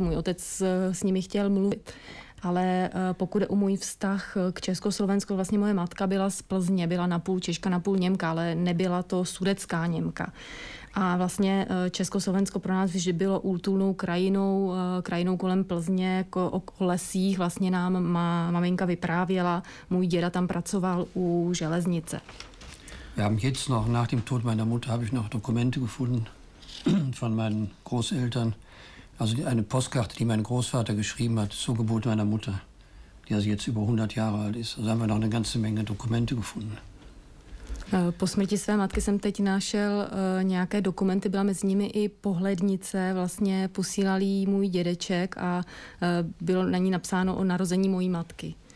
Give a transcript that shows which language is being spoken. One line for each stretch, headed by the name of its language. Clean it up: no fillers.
Czech: Můj otec s nimi chtěl mluvit. Ale pokud je o můj vztah k Československu, vlastně moje matka byla z Plzně, byla napůl Češka, napůl Němka, ale nebyla to sudetská Němka. A vlastně Československo pro nás vždy bylo útulnou krajinou, krajinou kolem Plzně, o lesích. Vlastně nám maminka vyprávěla, můj děda tam pracoval u železnice. Já mám
German: jetzt noch, nach dem Tod meiner Mutter, habe ich noch Dokumente gefunden von meinen Großeltern. Also eine Postkarte, die mein Großvater geschrieben hat, zur Geburt meiner Mutter, die also jetzt über 100 Jahre alt ist. Also haben wir noch eine ganze Menge Dokumente gefunden.
Czech: Po smrti své matky jsem teď našel nějaké dokumenty, byla mezi nimi i pohlednice, vlastně posílal jí můj dědeček a bylo na ní napsáno o narození mojí matky.